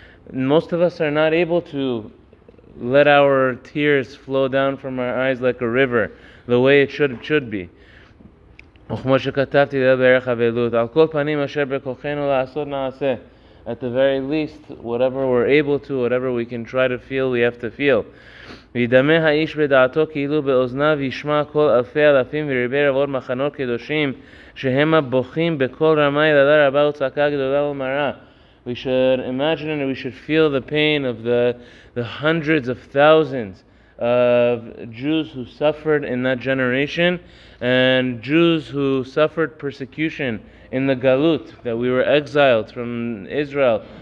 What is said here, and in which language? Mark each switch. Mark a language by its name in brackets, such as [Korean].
[English] Most of us are not able to let our tears flow down from our eyes like a river, the way it should be. At the very least, whatever we're able to, whatever we can try to feel, we have to feel. [Hebrew] וידמה האיש בדעתו כאילו באוזניו ישמע כל אלפי אלפים וריבי רבות מחנות קדושים שהם הבוכים בכל רמה ילדה רבה וצעקה גדולה ומרה. [English] We should imagine and we should feel the pain of the hundreds of thousands of Jews who suffered in that generation, and Jews who suffered persecution in the Galut, that we were exiled from Israel